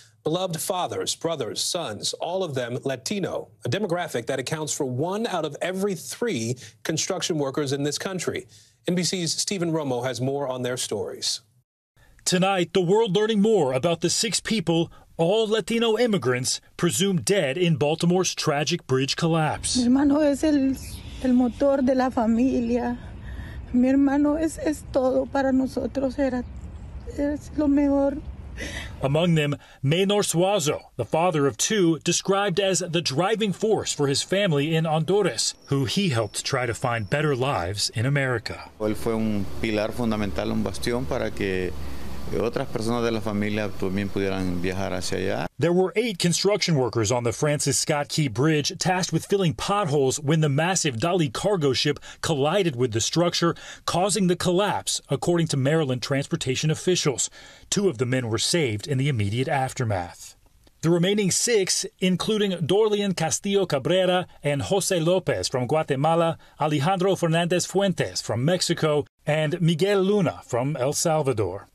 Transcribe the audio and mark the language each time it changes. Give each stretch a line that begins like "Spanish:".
English: Beloved fathers, brothers, sons, all of them Latino, a demographic that accounts for one out of every three construction workers in this country. NBC's Stephen Romo has more on their stories. Tonight, the world learning more about the six people, all Latino immigrants, presumed dead in Baltimore's tragic bridge collapse.
Spanish: Mi hermano es el motor de la familia. Mi hermano es todo para nosotros. Es lo mejor.
English: Among them, Maynor Suazo, the father of two, described as the driving force for his family in Honduras, who he helped try to find better lives in America.
Spanish: Él fue un pilar fundamental, un bastión para que otras personas de la familia también pudieran viajar hacia allá.
English: There were eight construction workers on the Francis Scott Key Bridge tasked with filling potholes when the massive Dolly cargo ship collided with the structure, causing the collapse, according to Maryland transportation officials. Two of the men were saved in the immediate aftermath. The remaining six, including Dorlian Castillo Cabrera and Jose Lopez from Guatemala, Alejandro Fernandez Fuentes from Mexico, and Miguel Luna from El Salvador.